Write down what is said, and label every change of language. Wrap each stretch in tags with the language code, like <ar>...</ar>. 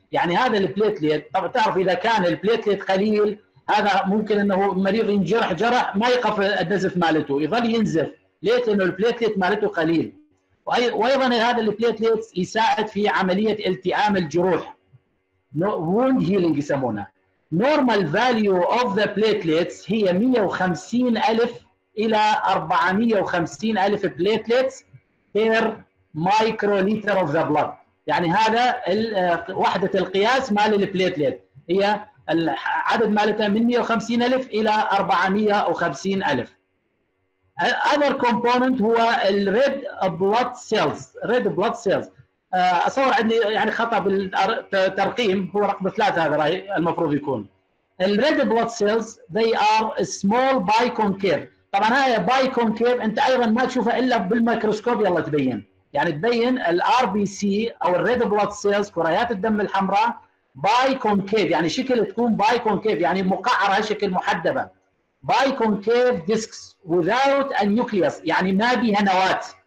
<ar>يعني هذا البليتليت طبعا تعرف اذا كان البليتليت قليل هذا ممكن انه المريض ينجرح جرح ما يقف النزف مالته يظل ينزف ليه؟ لانه البليتليت مالته قليل. وايضا هذا البليتليت يساعد في عمليه التئام الجروح wound healing يسمونه.</ar> <en>normal value of the platelets</en> <ar>هي 150 الف الى 450 الف بليتليت</ar> <en>per microliter of the blood.</en> <ar>يعني هذا وحدة القياس مال البليتليت هي العدد مالتها من 150 ألف إلى 450 ألف.</ar> <en>Other component هو ال red blood cells.</en> <ar>red blood cells أصور عندي يعني خطأ بالترقيم، هو رقم ثلاثة هذا راي المفروض يكون.</ar> <en>ال red blood cells they are small biconcave.</en> <ar>طبعا هاي باي كونكيف انت ايضا ما تشوفها الا بالميكروسكوب يلا تبين، يعني تبين الار بي سي او الريد بلود سيلز كريات الدم الحمراء باي كونكيف، يعني شكل تكون باي كونكيف يعني مقعره شكل محدبه.</ar> <en>by concave discs without النيوكليوس</en> <ar>يعني ما بها نواه.</ar>